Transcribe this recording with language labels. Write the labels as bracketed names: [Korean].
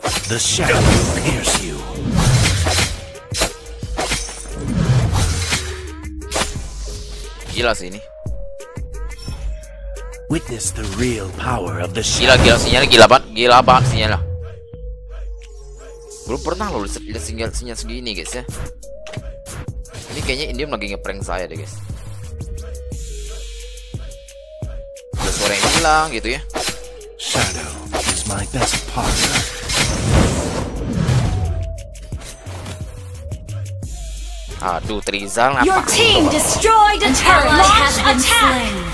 [English] The shadow will pierce you. [Indonesian] Gila sih ini. [English] Witness the real power of the shadow. [Indonesian] Gila, gila sinyalnya, gila banget sinyalnya. Belum pernah lo lihat sinyal segini guys ya. Ini kayaknya Indium lagi ngeprank saya deh guys. Ada suara yang hilang gitu ya. [English] Shadow is my best partner. [Indonesian] Aduh Trizal apa? [English] Your team destroyed an ally. Launch attack.